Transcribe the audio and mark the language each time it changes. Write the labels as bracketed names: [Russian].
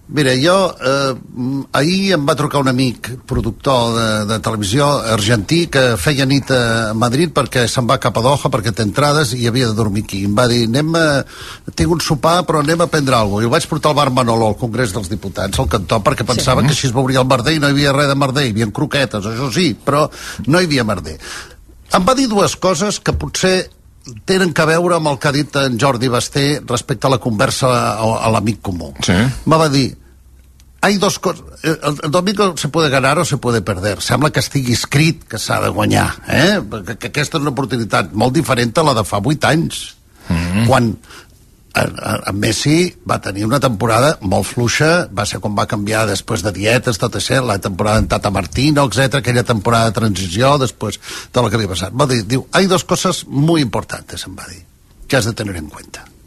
[Catalan] Mira, jo ahir em va trucar un amic productor de televisió argentí que feia nit a Madrid perquè se'n va cap a Doha perquè té entrades i havia de dormir aquí. Em va dir, tinc un sopar però anem a prendre alguna cosa. I ho vaig portar al bar Manolo, al Congrés dels Diputats, al cantó, perquè pensava que així es veuria el merder i no hi havia res de merder. Hi havia croquetes, això sí, però no hi havia merder. Em va dir dues coses que potser tenen que veure amb el que ha dit en Jordi Basté respecte a la conversa a l'amic comú. Sí. Va dir, [Spanish] hay dos cosas, el domingo se puede ganar o se puede perder. [Catalan] Sembla que estigui escrit que s'ha de guanyar, que aquesta és una oportunitat molt diferent a la de fa 8 anys, quan en Messi va tenir una temporada molt fluixa, va ser com va canviar després de dietes, tot això, la temporada en Tata Martino, etcètera, aquella temporada de transició, després de la que li ha passat. Diu, [Spanish] hay dos cosas muy importantes, [Catalan] em va dir, que has de tenir [Spanish] en cuenta.